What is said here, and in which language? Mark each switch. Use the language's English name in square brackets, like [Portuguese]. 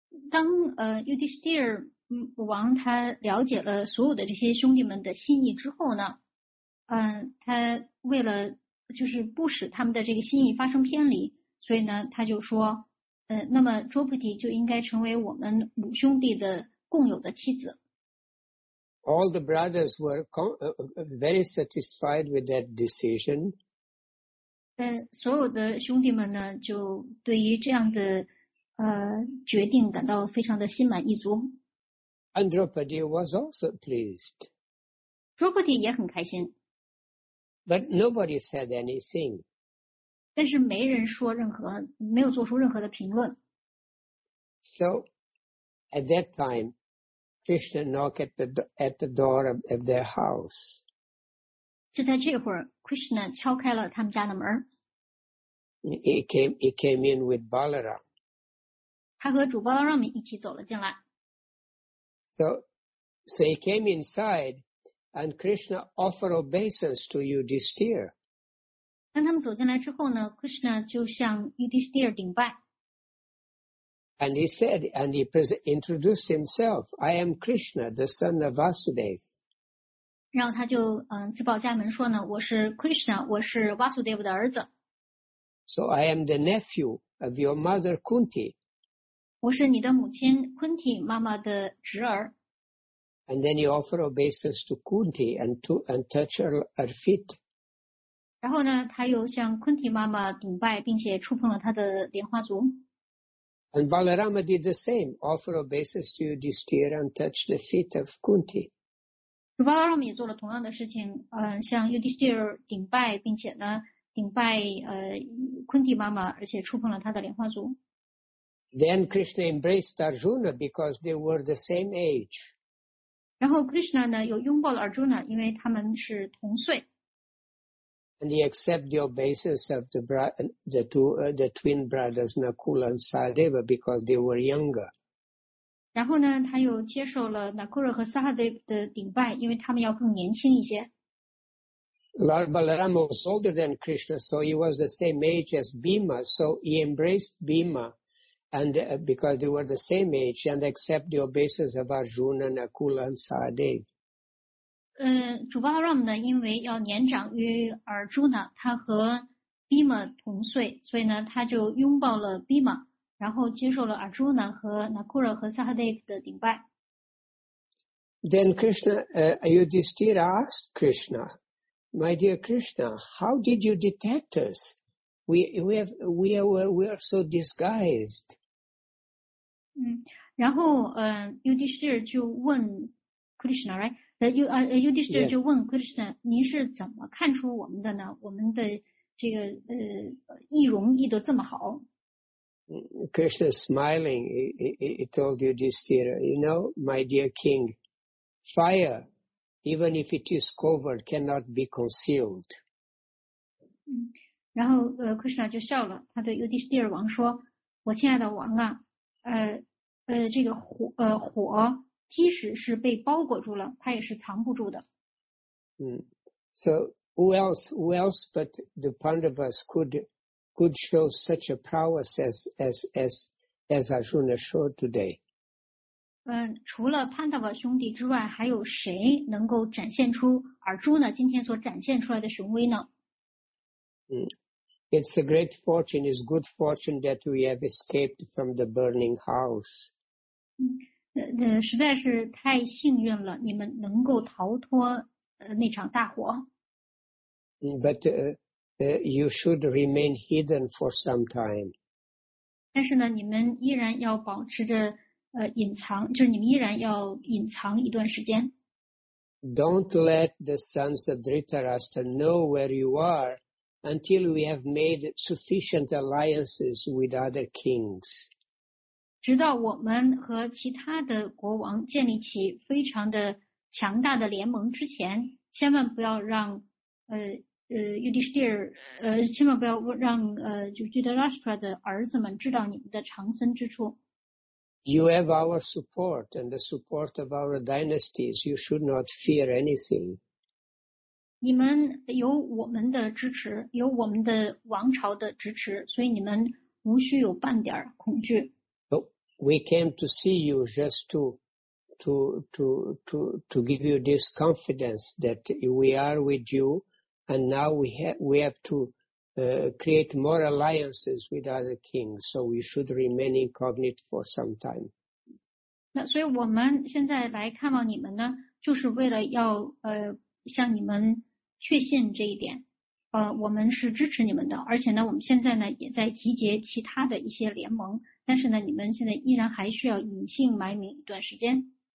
[Chinese] 当Yudhishthir 王他了解了所有的这些兄弟们的心意之后呢，他为了就是不使他们的这个心意发生偏离，所以呢，他就说，那么Draupadi就应该成为我们五兄弟的共有的妻子。 [English] All the brothers were very satisfied with that decision. [Chinese] 所有的兄弟们呢，就对于这样的决定感到非常的心满意足。 [English] And Draupadi was also pleased. [Chinese] Draupadi 也很开心。 [English] But nobody said anything. [Chinese] 但是没人说任何，没有做出任何的评论。 [English] So, at that time,Krishna knocked at the door of their house. [Chinese] 就在这会儿 ，Krishna 敲开了他们家的门。 [English] He came in with Balaram. [Chinese] 他和主 Balaram 一起走了进来。 [English] So he came inside, and Krishna offered obeisance to Yudhishthir. [Chinese] 当他们走进来之后呢 ，Krishna 就向 Yudhishthir 顶拜。 [English] And he said, and he introduced himself, I am Krishna, the son of Vasudev. [Chinese] 然后他就自报家门说呢，我是 Krishna, 我是 Vasudev 的儿子。 [English] So I am the nephew of your mother Kunti. [Chinese] 我是你的母亲 Kunti 妈妈的侄儿。 [English] And then he offered obeisance to Kunti and touched her feet. [Chinese] 然后呢，他又向 Kunti 妈妈顶拜，并且触碰了她的莲花足。 [English] And Balarama did the same, offer obeisance to Yudhishthir and touch the feet of Kunti. [Chinese] Balarama 也做了同样的事情，向 Yudhishthir 顶拜，并且呢，顶拜Kunti 妈妈，而且触碰了她的莲花足。 [English] Then Krishna embraced Arjuna because they were the same age. [Chinese] 然后 Krishna 呢，又拥抱了 Arjuna， 因为他们是同岁。 [English] And he accepted the obeisance of the twin brothers Nakula and Sahadeva because they were younger. [Chinese] 然后呢，他又接受了 Nakula 和 Sahadev 的顶拜，因为他们要更年轻一些。 [English] Lord Balarama was older than Krishna, so he was the same age as Bhima. So he embraced Bhima, and because they were the same age, and accepted the obeisance of Arjuna, Nakula, and Sahadev. [Chinese] 主巴拉姆呢，因为要年长于尔朱呢，他和比玛同岁，所以呢，他就拥抱了比玛，然后接受了尔朱呢和纳库尔和萨哈德的顶拜。 [English] Then Krishna, Yudhishthira asked Krishna, "My dear Krishna, how did you detect us? We are so disguised." [Chinese] 然后Yudhishthira 就问 Krishna, [English] right? [Chinese] Yudhishthira 就问 Krishna， 您是怎么看出我们的呢？我们的这个易容易得这么好 [English] ？Krishna smiling, he told Yudhishthira, "You know, my dear king, fire, even if it is covered, cannot be concealed." [Chinese] 然后Krishna 就笑了，他对 Yudhishthira 王说：“我亲爱的王啊，这个火。” 即使是被包裹住了，它也是藏不住的。 [English] So who else but the Pandavas could show such a prowess as Arjuna showed today? [Chinese] 除了 Pandava 兄弟之外，还有谁能够展现出Arjuna今天所展现出来的雄威呢？ [English] It's a great fortune. It's good fortune that we have escaped from the burning house. [Chinese] 实在是太幸运了，你们能够逃脱那场大火。 [English] But you should remain hidden for some time. [Chinese] 但是呢，你们依然要保持着隐藏，就是你们依然要隐藏一段时间。 [English] Don't let the sons of Dhritarashtra know where you are until we have made sufficient alliances with other kings. [Chinese] 直到我们和其他的国王建立起非常的强大的联盟之前，千万不要让Yudhishthir 千万不要让就是 Dhritarashtra 的儿子们知道你们的藏身之处。 [English] You have our support and the support of our dynasties. You should not fear anything. [Chinese] 你们有我们的支持，有我们的王朝的支持，所以你们无需有半点恐惧。 [English] We came to see you just to give you this confidence that we are with you, and now we have to create more alliances with other kings, so we should remain incognito for some time. [Chinese] 那所以我们现在来看望你们呢，就是为了要向你们确信这一点。我们是支持你们的，而且呢，我们现在呢也在集结其他的一些联盟。但是呢，你们现在依然还需要隐姓埋名一段时间。